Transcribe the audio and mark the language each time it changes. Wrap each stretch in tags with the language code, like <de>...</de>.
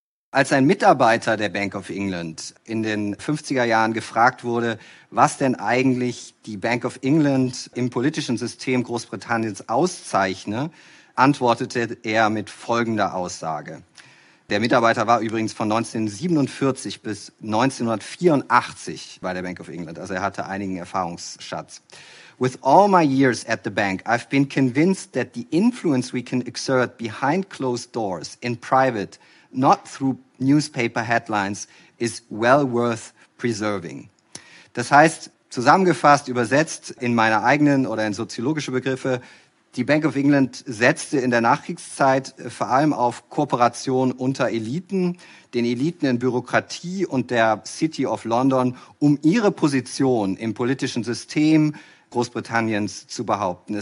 <de>Als ein Mitarbeiter der Bank of England in den 50er Jahren gefragt wurde, was denn eigentlich die Bank of England im politischen System Großbritanniens auszeichne, antwortete er mit folgender Aussage. Der Mitarbeiter war übrigens von 1947 bis 1984 bei der Bank of England. Also er hatte einigen Erfahrungsschatz.</de> <en>With all my years at the bank, I've been convinced that the influence we can exert behind closed doors, in private, not through newspaper headlines, is well worth preserving.</en> <de>Das heißt, zusammengefasst, übersetzt in meine eigenen oder in soziologische Begriffe, die Bank of England setzte in der Nachkriegszeit vor allem auf Kooperation unter Eliten, den Eliten in Bürokratie und der City of London, um ihre Position im politischen System Großbritanniens zu behaupten.</de>